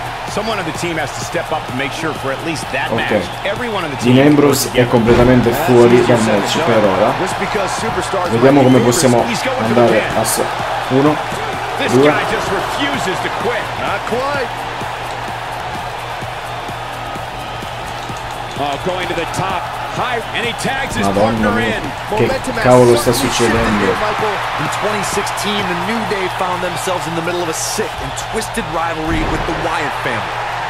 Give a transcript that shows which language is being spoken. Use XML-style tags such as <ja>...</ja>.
<en>Someone on the team has to step up and make sure for at least that match. Everyone on the team.</en> <it>Dean Ambrose è completamente fuori dal match per ora. Vediamo come possiamo andare a 1.</it> <en>This guy just refuses to quit. Not quite. Oh, going to the top. High, and he tags his partner in.</en> <it>Che cavolo sta succedendo?</it> <en>In 2016, the New Day found themselves in the middle of a sick and twisted rivalry with the Wyatt family.</en>